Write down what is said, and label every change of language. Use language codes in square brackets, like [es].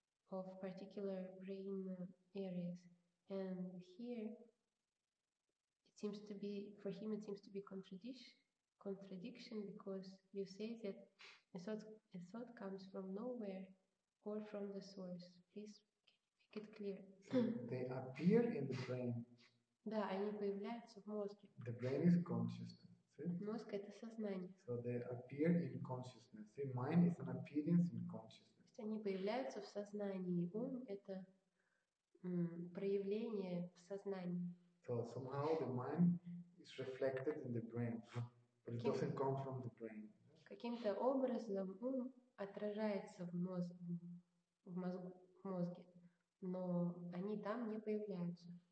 [en] of particular brain areas, and here it seems to be, for him it seems to be contradiction because you say that a thought comes from nowhere or from the source. Please make it clear. They appear in the brain. [ru] Да, они появляются в мозге. [en] The brain is consciousness. See? [ru] Мозг это сознание. [en] So they appear in consciousness. See, mind is an appearance in consciousness. [ru] Они появляются в сознании. Ум — это проявление в сознании. [en] So somehow the mind is reflected in the brain, but it doesn't come from the brain. [ru] Каким-то образом ум отражается в мозге, но они там не появляются.